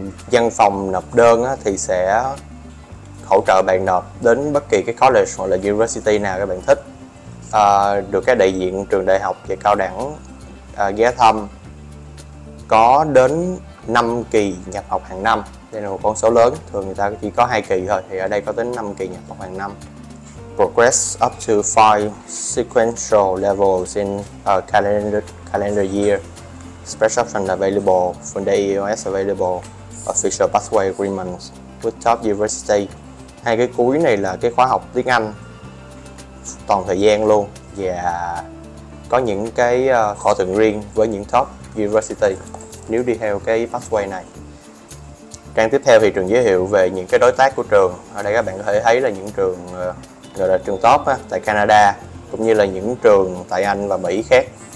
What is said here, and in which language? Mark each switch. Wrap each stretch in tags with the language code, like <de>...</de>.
<vi>Văn phòng nộp đơn á, thì sẽ hỗ trợ bạn nộp đến bất kỳ cái college hoặc là university nào các bạn thích. Được các đại diện trường đại học và cao đẳng ghé thăm. Có đến 5 kỳ nhập học hàng năm. Đây là một con số lớn, thường người ta chỉ có 2 kỳ thôi, thì ở đây có đến 5 kỳ nhập học hàng năm.</vi> <en>Progress up to 5 sequential levels in a calendar year. Special option available from the EOS available. Official pathway agreements with top university.</en> <vi>Hai cái cuối này là cái khóa học tiếng Anh toàn thời gian luôn và có những cái khóa thuận riêng với những top university nếu đi theo cái pathway này. Trang tiếp theo thì trường giới thiệu về những cái đối tác của trường. Ở đây các bạn có thể thấy là những trường gọi là trường top á, tại Canada cũng như là những trường tại Anh và Mỹ khác.</vi>